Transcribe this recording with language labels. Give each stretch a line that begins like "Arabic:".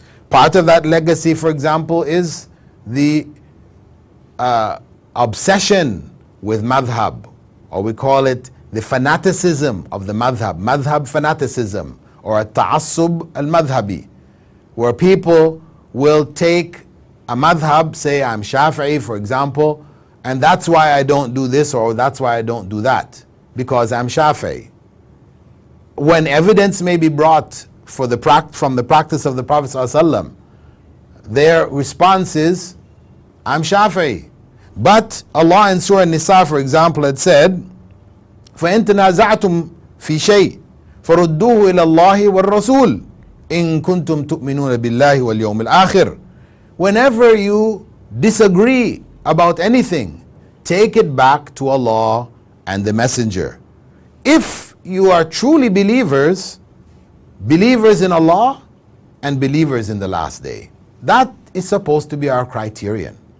English: Part of that legacy, for example, is the obsession with madhab, or we call it the fanaticism of the madhab, madhab fanaticism, or at-ta'assub al-madhabi, where people will take a madhab, say I'm Shafi'i, for example, and that's why I don't do this, or that's why I don't do that, because I'm Shafi'i. when evidence may be brought for the from the practice of the Prophet ﷺ, their response is, I'm Shafi'i. But Allah in Surah An-Nisa, for example, had said,
Arabic: فَإِن تَنَازَعْتُمْ فِي شَيْءٍ فَرُدُّوهُ إِلَى اللَّهِ وَالرَّسُولِ إِن كُنْتُمْ تُؤْمِنُونَ بِاللَّهِ وَالْيَوْمِ الْآخِرِ.
English: Whenever you disagree about anything, take it back to Allah and the Messenger. If you are truly believers, believers in Allah and believers in the last day, that is supposed to be our criterion.